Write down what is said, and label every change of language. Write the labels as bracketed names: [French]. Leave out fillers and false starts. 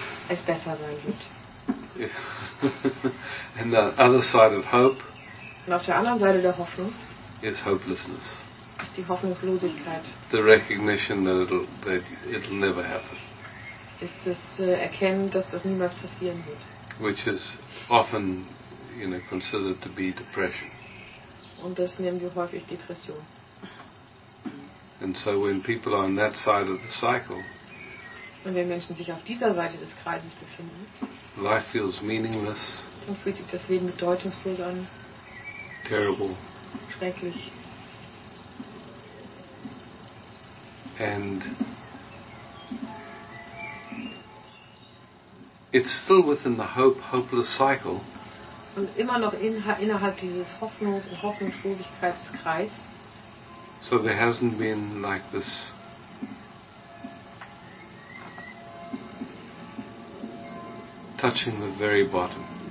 [German] Es besser sein wird. [English] Yeah. And the other side of hope, [German] und auf der anderen Seite der Hoffnung, [English] is hopelessness. [German] Ist die Hoffnungslosigkeit. [English] The recognition that it'll never happen. [German] Ist das Erkennen, dass das niemals passieren wird. [English] Which is often, you know, considered to be depression. [German] Und das nennen wir häufig Depression. [English] And so when people are on that side of the cycle, [German] und wenn Menschen sich auf dieser Seite des Kreises befinden, [English] life feels meaningless, [German] dann fühlt sich das Leben bedeutungslos an. [English] Terrible. [German] Schrecklich. [English] And it's still within the hopeless cycle. [German] Und immer noch innerhalb dieses Hoffnungs- und Hoffnungslosigkeitskreis. [English] So there hasn't been like this touching the very bottom.